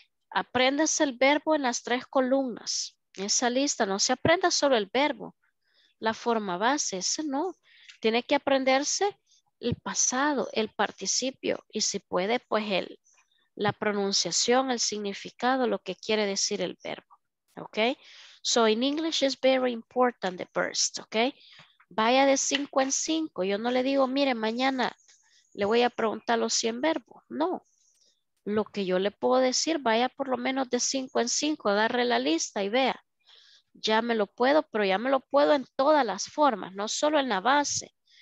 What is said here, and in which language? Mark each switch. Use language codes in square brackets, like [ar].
[es] Aprendas el verbo en las tres columnas. Esa lista no se aprenda solo el verbo. La forma base, ese no. Tiene que aprenderse el pasado, el participio. Y si puede, pues la pronunciación, el significado, lo que quiere decir el verbo. ¿Ok? [en] So in English is very important the first, okay? [es] Vaya de 5 en 5. Yo no le digo, mire, mañana le voy a preguntar los 100 verbos. No. Lo que yo le puedo decir, vaya por lo menos de 5 en 5, agarre la lista y vea. Ya me lo puedo, pero ya me lo puedo en todas las formas, no solo en la base.